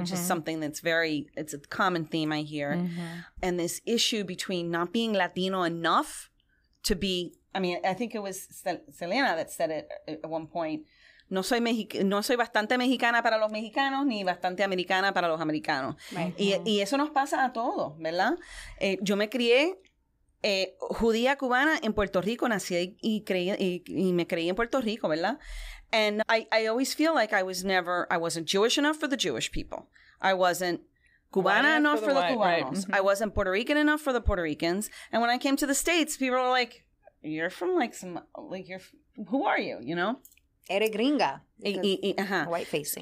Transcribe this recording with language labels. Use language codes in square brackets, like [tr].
[en] which is something that's very, it's a common theme I hear. Mm-hmm. And this issue between not being Latino enough to be, I mean, I think it was Selena that said it at one point, [es] No soy bastante mexicana para los mexicanos ni bastante americana para los americanos. [en] Right. [es] Y eso nos pasa a todos, ¿verdad? Yo me crié judía cubana en Puerto Rico, nací y me creí en Puerto Rico, ¿verdad? [en] And I always feel like I wasn't Jewish enough for the Jewish people. I wasn't cubana enough for the cubanos. Right. Mm-hmm. I wasn't Puerto Rican enough for the Puerto Ricans. And when I came to the States, people were like, "You're from like some like you're who are you?" You know. [es] Eres gringa, white-facing.